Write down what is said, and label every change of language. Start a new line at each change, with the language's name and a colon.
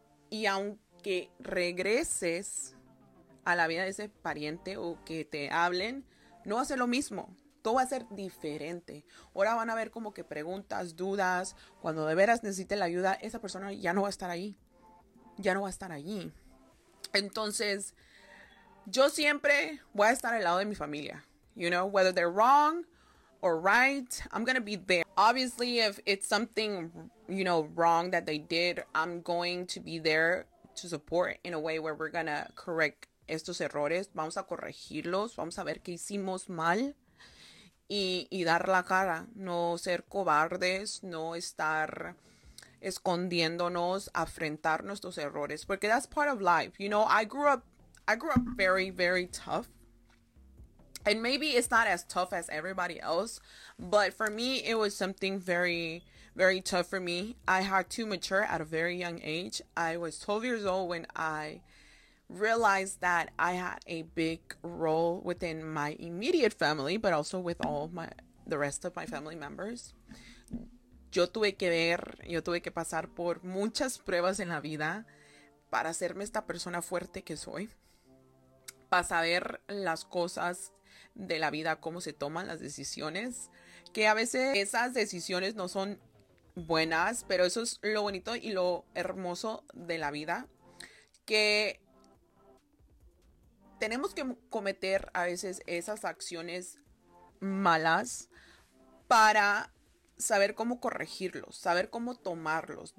Spanish: Y aunque regreses a la vida de ese pariente o que te hablen, no va a ser lo mismo. Todo va a ser diferente. Ahora van a ver como que preguntas, dudas. Cuando de veras necesite la ayuda, esa persona ya no va a estar ahí. Ya no va a estar allí. Entonces, yo siempre voy a estar al lado de mi familia.
English: You know, whether they're wrong or right, I'm going to be there. Obviously, if it's something, you know, wrong that they did, I'm going to be there to support in a way where we're going to correct
Spanish: estos errores. Vamos a corregirlos. Vamos a ver qué hicimos mal. Y dar la cara. No ser cobardes. No estar escondiéndonos, afrontar nuestros errores, porque
English: that's part of life, you know. I grew up very, very tough, and maybe it's not as tough as everybody else, but for me it was something very, very tough for me. I had to mature at a very young age. I was 12 years old when I realized that I had a big role within my immediate family, but also with all my the rest of my family members.
Spanish: Yo tuve que pasar por muchas pruebas en la vida para hacerme esta persona fuerte que soy, para saber las cosas de la vida, cómo se toman las decisiones, que a veces esas decisiones no son buenas, pero eso es lo bonito y lo hermoso de la vida, que tenemos que cometer a veces esas acciones malas para saber cómo corregirlos, saber cómo tomarlos.